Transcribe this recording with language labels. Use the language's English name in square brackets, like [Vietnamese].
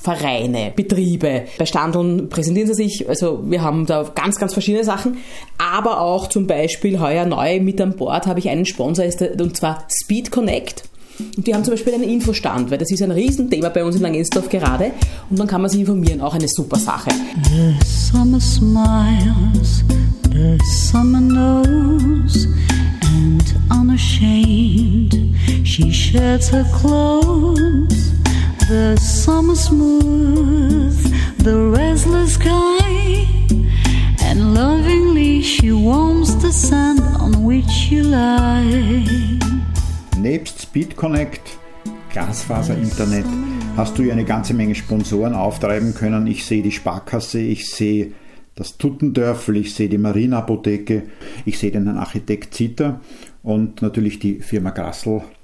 [German] Vereine, Betriebe. Bei Standeln präsentieren sie sich. Also wir haben da ganz, ganz verschiedene Sachen. Aber auch zum Beispiel heuer neu mit an Bord habe ich einen Sponsor, und zwar Speed Connect. Und die haben zum Beispiel einen Infostand, weil das ist ein Riesenthema bei uns in Langenzersdorf gerade. Und dann kann man sich informieren, auch eine super Sache. [English] The summer smiles, the summer knows, and unashamed. She sheds her clothes, the summer smooth, the restless sky, and lovingly she warms the sand on which you lie. [German] Nebst Speed Connect, Glasfaser-Internet, hast du ja eine ganze Menge Sponsoren auftreiben können. Ich sehe die Sparkasse, ich sehe das Tuttendörfel, ich sehe die Marienapotheke, ich sehe den Architekt Zitter und natürlich die Firma Grassl.